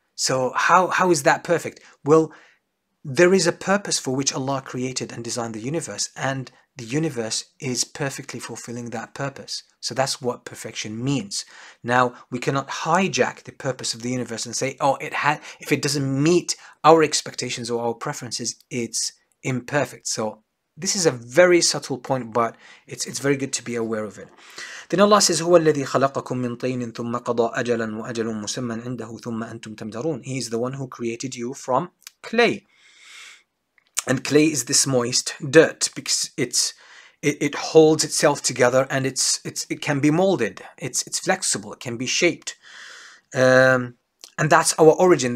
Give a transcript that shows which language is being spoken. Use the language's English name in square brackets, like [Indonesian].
[English] So how is that perfect? Well, there is a purpose for which Allah created and designed the universe, and the universe is perfectly fulfilling that purpose. So that's what perfection means. Now, we cannot hijack the purpose of the universe and say, oh, if it doesn't meet our expectations or our preferences, it's imperfect. So This is a very subtle point, but it's very good to be aware of it. Then Allah says, [Arabic] هو الذي خلقكم من طين ثم قضى أجلا وأجل مسمى عنده ثم أنتم تمترون. [English] He is the one who created you from clay. And clay is this moist dirt because it holds itself together and it can be molded. It's flexible. It can be shaped. And that's our origin.